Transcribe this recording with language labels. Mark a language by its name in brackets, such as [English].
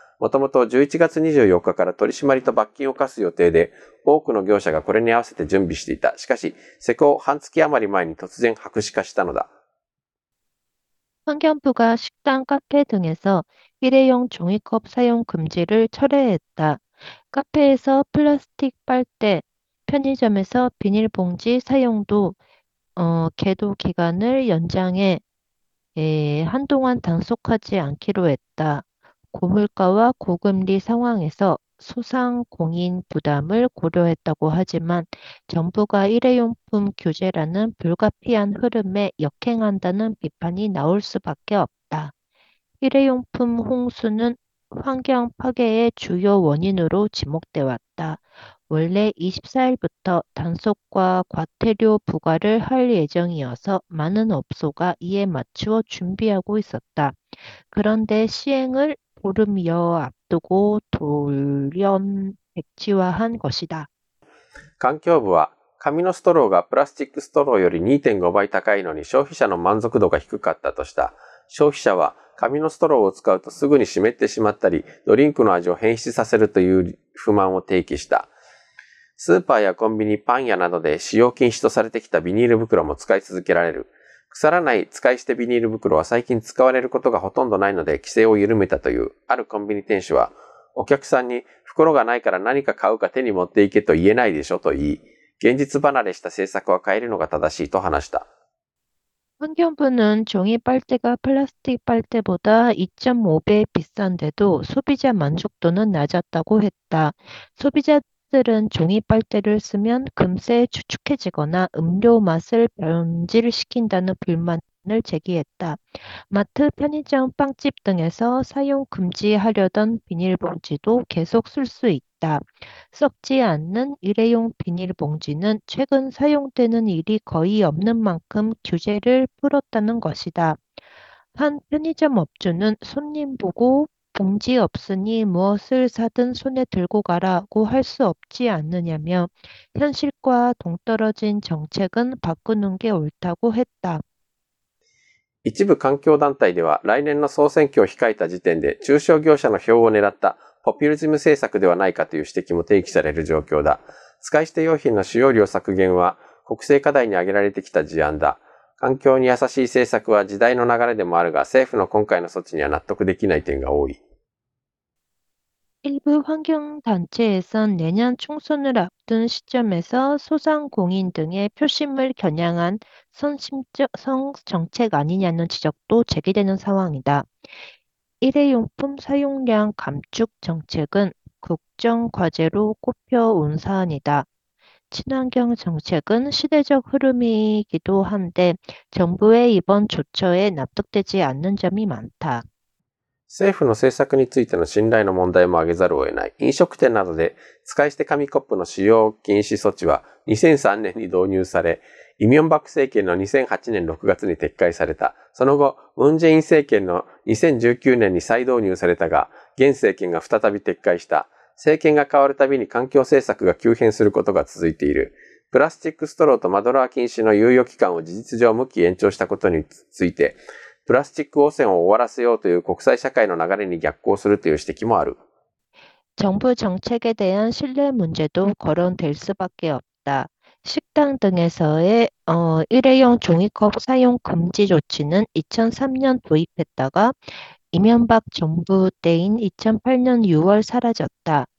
[Japanese] もともと11月24日から取り締まりと罰金を課す予定で、多くの業者がこれに合わせて準備していた。しかし、施行半月余り前に突然白紙化したのだ。 [Korean] 환경부가식당カフェ등에서일회용종이컵사용금지를철회했다。カフェ에서플라스틱빨대、 편의점에서 비닐봉지 사용도 계도 기간을 연장해 한동안 단속하지 않기로 했다. 고물가와 고금리 상황에서 소상공인 부담을 고려했다고 하지만 정부가 일회용품 규제라는 불가피한 흐름에 역행한다는 비판이 나올 수밖에 없다. 일회용품 홍수는 환경 파괴의 주요 원인으로 지목돼 왔다. 원래 24일부터 단속과 과태료 부과를 할 예정이어서 많은 업소가 이에 맞추어 준비하고 있었다. 그런데 시행을 보름여 앞두고 돌연백지화한 것이다. [Japanese] 環境部は、紙のストローがプラスチックストローより2.5倍高いのに消費者の満足度が低かったとした。消費者は、紙のストローを使うとすぐに湿ってしまったり、ドリンクの味を変質させるという不満を提起した。スーパーやコンビニ、パン屋などで使用禁止とされてきたビニール袋も使い続けられる。腐らない使い捨てビニール袋は最近使われることがほとんどないので規制を緩めたという、あるコンビニ店主は、お客さんに袋がないから何か買うか手に持っていけと言えないでしょと言い、現実離れした政策は変えるのが正しいと話した。 [Korean] 환경부는 종이 빨대가 플라스틱 빨대보다 2.5배 비싼데도 소비자 만족도는 낮았다고 했다. 소비자들은 종이 빨대를 쓰면 금세 추측해지거나 음료 맛을 변질시킨다는 불만을 제기했다. 마트, 편의점, 빵집 등에서 사용 금지하려던 비닐봉지도 계속 쓸수 있다. 썩지 않는 일회용 비닐봉지는 최근 사용되는 일이 거의 없는 만큼 규제를 풀었다는 것이다. 한 편의점 업주는 손님 보고 봉지 없으니 무엇을 사든 손에 들고 가라고 할수 없지 않느냐며 현실과 동떨어진 정책은 바꾸는 게 옳다고 했다. [Japanese] 一部環境団体では来年の総選挙を控えた時点で中小業者の票を狙ったポピュリズム政策ではないかという指摘も提起される状況だ。使い捨て用品の使用量削減は国政課題に挙げられてきた事案だ。環境に優しい政策は時代の流れでもあるが、政府の今回の措置には納得できない点が多い。 [Korean] 일부 환경단체에선 내년 총선을 앞둔 시점에서 소상공인 등의 표심을 겨냥한 선심성 정책 아니냐는 지적도 제기되는 상황이다. 일회용품 사용량 감축 정책은 국정과제로 꼽혀온 사안이다. 친환경 정책은 시대적 흐름이기도 한데 정부의 이번 조처에 납득되지 않는 점이 많다. [Japanese] 政府の政策についての信頼の問題も挙げざるを得ない。飲食店などで使い捨て紙コップの使用禁止措置は2003年に導入され、イ・ミョンバク政権の2008年6月に撤回された。その後、ムン・ジェイン政権の2019年に再導入されたが、現政権が再び撤回した。政権が変わるたびに環境政策が急変することが続いている。プラスチックストローとマドラー禁止の猶予期間を事実上無期延長したことについて、プラスチック汚染を終わらせようという国際社会の流れに逆行するという指摘もある。 [Korean] 정부 정책에 대한 신뢰 문제도 거론될 수밖에 없다. 식당 등에서의 일회용 종이컵 사용 금지 조치는 2003년 도입했다가 이명박 정부 때인 2008년 6월 사라졌다.